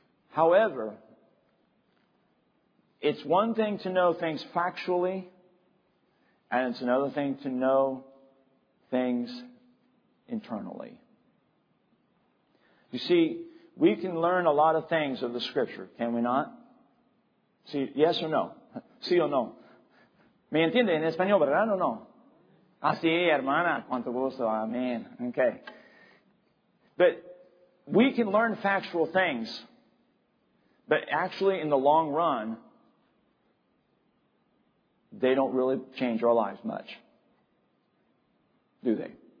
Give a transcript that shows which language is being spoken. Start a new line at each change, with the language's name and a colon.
English: However, it's one thing to know things factually, and it's another thing to know things internally. You see, we can learn a lot of things of the Scripture, can we not?
Spanish: Si,
English: yes or no?
Spanish: Si o no? ¿Me entiende en español, verdad o no? Así, hermana, cuánto gusto, amén.
English: Okay. But we can learn factual things, but actually in the long run, they don't really change our lives much, do they?